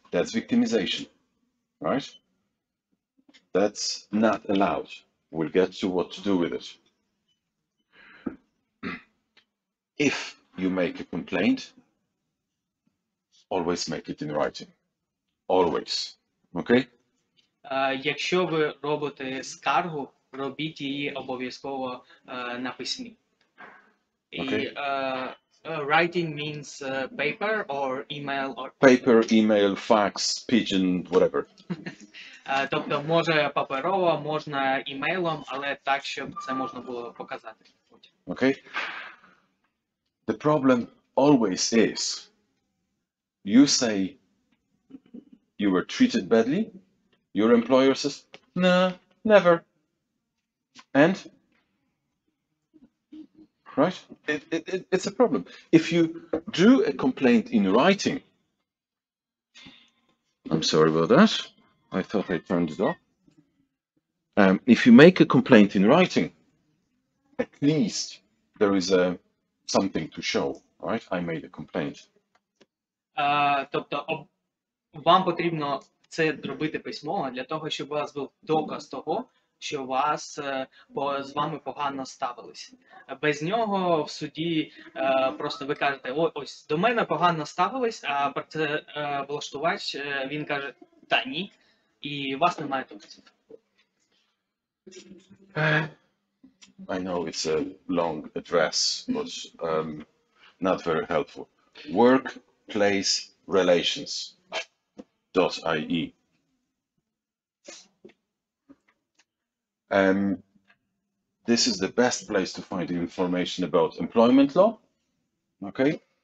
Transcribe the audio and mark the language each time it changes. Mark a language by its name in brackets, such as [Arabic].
[English] That's victimization, right? That's not allowed. We'll get to what to do with it. If you make a complaint, always make it in writing. Always. Okay? [Ukrainian] Якщо ви робите скаргу, робіть її обов'язково на письмі. [English] Okay. Writing means paper or email or paper, email, fax, pigeon, whatever. [Ukrainian] Тобто може паперово, можна емейлом, але так, щоб це можна було показати. [English] Okay. The problem always is you say you were treated badly, your employer says, nah, never. And right? It's a problem. If you do a complaint in writing, I'm sorry about that. I thought I turned it off. If you make a complaint in writing, at least there is something to show, right? I made a complaint. [Ukrainian] Тобто вам потрібно це зробити письмово для того, щоб у вас був доказ того, що вас, бо з вами погано ставились. Без нього в суді просто ви кажете, ось до мене погано ставились, а працевлаштувач, він каже, та ні, і вас немає доказів. [English] I know it's a long address, but not very helpful. workplace relations.ie. This is the best place to find information about employment law. Okay.